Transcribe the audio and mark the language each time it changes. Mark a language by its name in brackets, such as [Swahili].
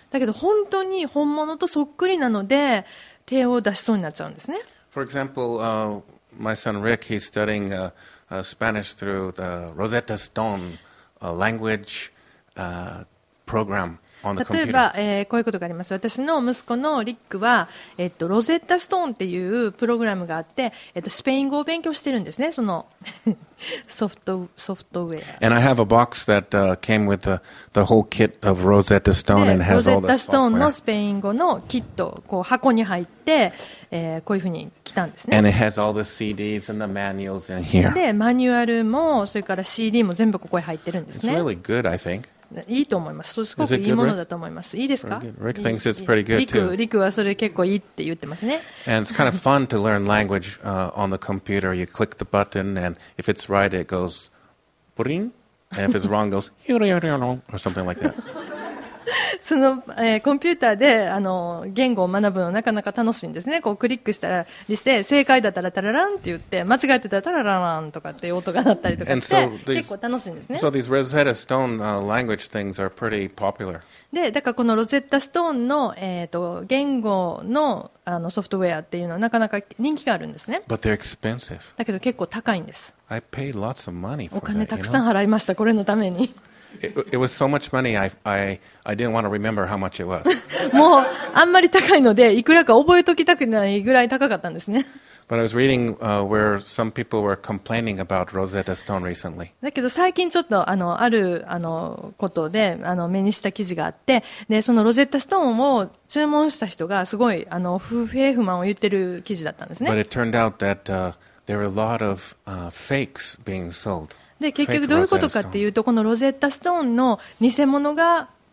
[Japanese] だけど本当に本物とそっくりなので手を出しそうになっちゃうんですね。 [English] For example, my son Rick, he's studying. Spanish through the Rosetta Stone language program on the computer. [Japanese] 例えば、こういうことがあります。私の息子のリックは、ロゼッタストーンっていうプログラムがあって、スペイン語を勉強してるんですね。そのソフトウェア。 [English] And I have a box that came with the whole kit of Rosetta Stone and has all the software. [Japanese] ロゼッタストーンのスペイン語のキット、こう箱に入って。こういうふうに来たんですね。 [English] And it has all the CDs and the manuals in here. [Japanese] でマニュアルもそれから CD も全部ここに入ってるんですね。 [English] It's really good, I think. [Japanese] いいと思います。すごくいいものだと思います。いいですか？ [English] Rick thinks it's pretty good too. [Japanese] リクはそれ結構いいって言ってますね。 [English] And it's kind of fun to learn language on the computer. You click the button and if it's right it goes bring, and if it's wrong goes or something like that. [Japanese] その、コンピューターで言語を学ぶのなかなか楽しいんですね。こうクリックしたらして正解だったらタララランって言って間違えてたらタララランとかっていう音が鳴ったりとかして、結構楽しいんですね。 [English] So these Rosetta Stone language things are pretty popular. [Japanese] でだからこのロゼッタストーンの、言語 の, ソフトウェアっていうのはなかなか人気があるんですね。 [English] But they're expensive. [Japanese] だけど結構高いんです。 [English] I paid lots of money for [Japanese] that, お金たくさん払いました、 [English] you know? [Japanese] これのために [English] It was so much money. I didn't want to remember how much it was. [Japanese] もうあんまり高いのでいくらか覚えときたくないぐらい高かったんですね。 [English] But I was reading where some people were complaining about Rosetta Stone recently. [Japanese] だけど最近ちょっとあることで目にした記事があって、でそのロゼッタストーンを注文した人がすごい不平不満を言ってる記事だったんですね。 [English] But it turned out that there were a lot of fakes being sold. [Japanese] で結局どういうことかっていうとこのロゼッタストーンの偽物が